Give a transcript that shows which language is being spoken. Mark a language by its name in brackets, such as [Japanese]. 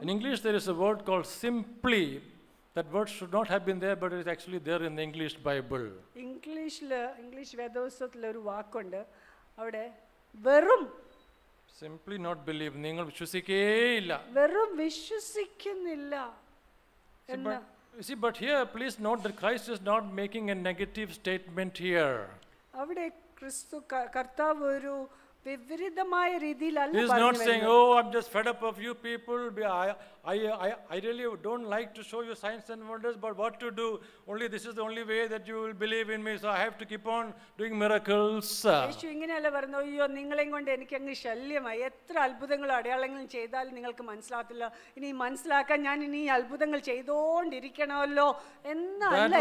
[English] In English there is a word called simply. That word should not have been there, but it is actually there in the English Bible. [Malayalam] English വേദവസ്തുത്തിൽ ഒരു വാക്കുണ്ട് അവിടെ, വെറും [English] simply not believe, [Malayalam] നിങ്ങൾ വിശ്വസിക്കേയില്ല, വെറും വിശ്വസിക്കുന്നില്ല എന്ന്. [English] You see, but here, please note that Christ is not making a negative statement here. [Malayalam] അവിടെ ക്രിസ്തു കർത്താവ് ഒരു വിവരിതമായ രീതിയിൽ അല്ല പറയുന്നത്. [English] He is not saying, oh, I'm just fed up of you people. I really don't like to show you signs and wonders, but what to do? Only this is the only way that you will believe in me, so I have to keep on doing miracles. [Malayalam] യേശു ഇങ്ങനെയല്ല പറഞ്ഞു, അയ്യോ നിങ്ങളെയും കൊണ്ട് എനിക്ക് അങ്ങ് ശല്യമായി, എത്ര അത്ഭുതങ്ങളും അടയാളങ്ങളും ചെയ്താലും നിങ്ങൾക്ക് മനസ്സിലാകത്തില്ല, ഇനി മനസ്സിലാക്കാൻ ഞാൻ ഇനി അത്ഭുതങ്ങൾ ചെയ്തോണ്ടിരിക്കണമല്ലോ എന്നല്ല